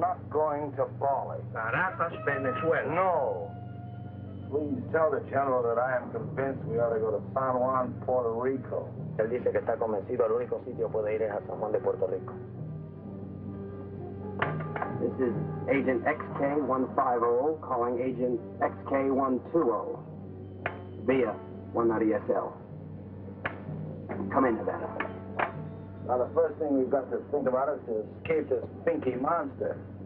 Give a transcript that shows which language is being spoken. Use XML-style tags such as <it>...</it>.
<en>Going to Bali. Caracas, Venezuela. No. Please tell the general that I am convinced we ought to go to San Juan, Puerto Rico.</en> <es>Él dice que está convencido el único sitio puede ir es a San Juan de Puerto Rico.</es> <en>This is Agent XK150 calling Agent XK120 via 190SL. Come in, Nevada. Now, the first thing we've got to think about is to escape this pinky monster.</en>